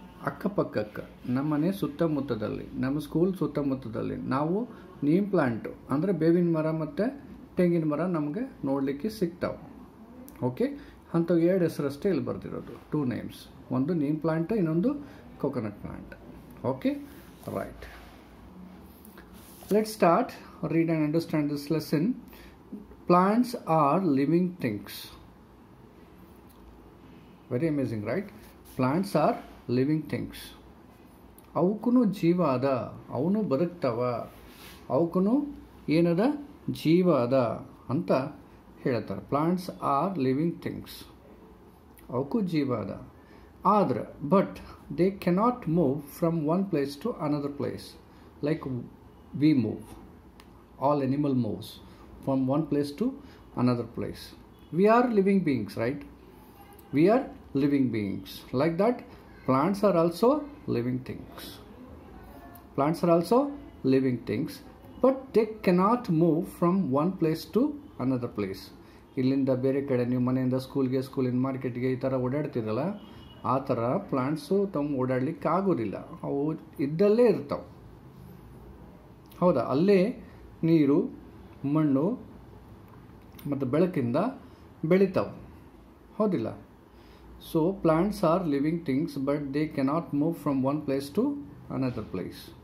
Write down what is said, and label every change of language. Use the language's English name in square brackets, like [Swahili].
[Kannada] ಅಕ್ಕಪಕ್ಕಕ್ಕೆ ನಮ್ಮನೆ ಸುತ್ತಮುತ್ತದಲ್ಲಿ ನಮ್ಮ ಸ್ಕೂಲ್ ಸುತ್ತಮುತ್ತದಲ್ಲಿ ನಾವು ನೀಮ್ ಪ್ಲಾಂಟು ಅಂದರೆ ಬೇವಿನ ಮರ ಮತ್ತು ತೆಂಗಿನ ಮರ ನಮಗೆ ನೋಡಲಿಕ್ಕೆ ಸಿಗ್ತಾವೆ ಓಕೆ ಅಂಥವು ಎರಡು ಹೆಸರಷ್ಟೇ ಇಲ್ಲಿ ಬರ್ತಿರೋದು [English] two names [Kannada] ಒಂದು ನೀಮ್ ಪ್ಲಾಂಟ್ ಇನ್ನೊಂದು coconut plant [English] Okay right let's start read and understand this lesson Plants are living things. Very amazing, right? Plants are living things. [Kannada] ಅವಕ್ಕೂ ಜೀವ ಅದ ಅವನು ಬದುಕ್ತವ ಅವಕ್ಕೂ ಏನದ ಜೀವ ಅದ ಅಂತ ಹೇಳ್ತಾರೆ [English] plants are living things [Kannada] ಅವಕ್ಕೂ ಜೀವ ಅದ ಆದ್ರೆ [English] But they cannot move from one place to another place like we move all animal moves from one place to another place. We are living beings, right? We are living beings. Like that, plants are also living things. Plants are also living things, but they cannot move from one place to another place. [Kannada] ಇಲ್ಲಿಂದ ಬೇರೆ ಕಡೆ ನೀವು ಮನೆಯಿಂದ ಸ್ಕೂಲ್ಗೆ ಸ್ಕೂಲಿಂದ ಮಾರ್ಕೆಟ್ಗೆ ಈ ಥರ ಓಡಾಡ್ತಿರಲ್ಲ ಆ ಥರ ಪ್ಲಾಂಟ್ಸು ತಮ್ಮ ಓಡಾಡಲಿಕ್ಕೆ ಆಗೋದಿಲ್ಲ ಅವು ಇದ್ದಲ್ಲೇ ಇರ್ತಾವೆ ಹೌದಾ ಅಲ್ಲೇ ನೀರು ಮಣ್ಣು ಮತ್ತು ಬೆಳಕಿಂದ ಬೆಳೀತಾವೆ ಹೌದಿಲ್ಲ [English] so plants are living things but they cannot move from one place to another place